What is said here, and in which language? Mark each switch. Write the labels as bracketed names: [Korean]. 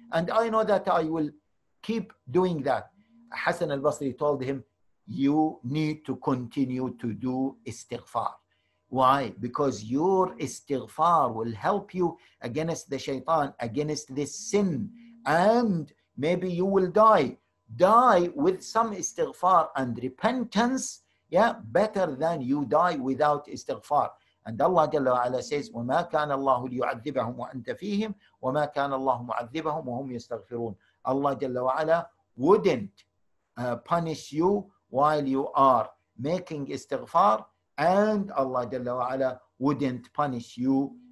[English] And I know that I will keep doing that. Hassan al-Basri told him, you need to continue to do istighfar. Why? Because your istighfar will help you against the shaitan, against this sin. And maybe you will die with some istighfar and repentance, yeah, better than you die without istighfar. And Allah Jalla wa Ala says, [Arabic] وَمَا كَانَ اللَّهُ لِيُعَذِّبَهُمْ وَأَنْتَ فِيهِمْ وَمَا كَانَ اللَّهُ مُعَذِّبَهُمْ وَهُمْ يَسْتَغْفِرُونَ. [English] Allah Jalla wa Ala wouldn't punish you while you are making istighfar, and Allah Jalla wa Ala wouldn't punish you.